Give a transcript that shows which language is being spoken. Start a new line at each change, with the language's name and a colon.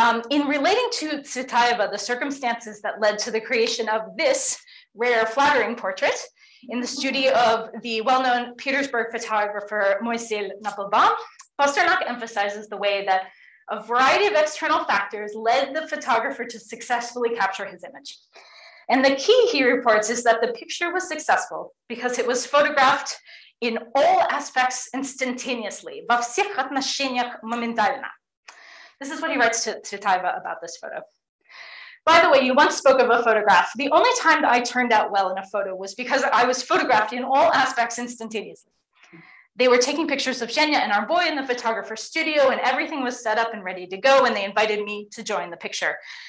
English: In relating to Tsvetaeva, the circumstances that led to the creation of this rare flattering portrait in the studio of the well-known Petersburg photographer Moisil Napelbaum, Pasternak emphasizes the way that a variety of external factors led the photographer to successfully capture his image. And the key, he reports, is that the picture was successful because it was photographed in all aspects instantaneously.
Russian: Во всех отношениях моментально.
English: This is what he writes to Tsvetaeva about this photo. By the way, you once spoke of a photograph. The only time that I turned out well in a photo was because I was photographed in all aspects instantaneously. They were taking pictures of Xenia and our boy in the photographer's studio, and everything was set up and ready to go, and they invited me to join the picture.